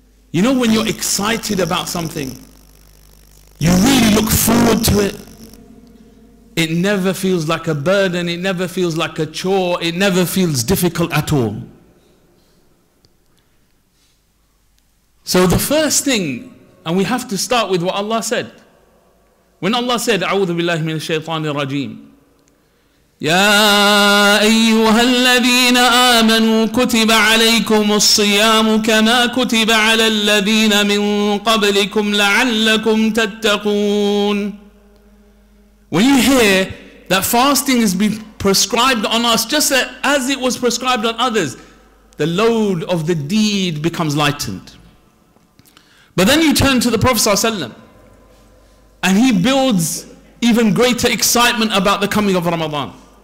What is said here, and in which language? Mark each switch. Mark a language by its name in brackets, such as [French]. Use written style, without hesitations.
[English] You know, when you're excited about something, you really look forward to it. It never feels like a burden, it never feels like a chore, it never feels difficult at all. So the first thing, and we have to start with what Allah said. When Allah said, [Arabic] أعوذ بالله من الشيطان الرجيم, يَا أَيُّهَا الَّذِينَ آمَنُوا كُتِبَ عَلَيْكُمُ الصِّيَامُ كَمَا كُتِبَ عَلَى الَّذِينَ مِنْ قَبْلِكُمْ لَعَلَّكُمْ تَتَّقُونَ. [English] When you hear that fasting has been prescribed on us, just as it was prescribed on others, the load of the deed becomes lightened. But then you turn to the Prophet ﷺ, and he builds even greater excitement about the coming of Ramadan.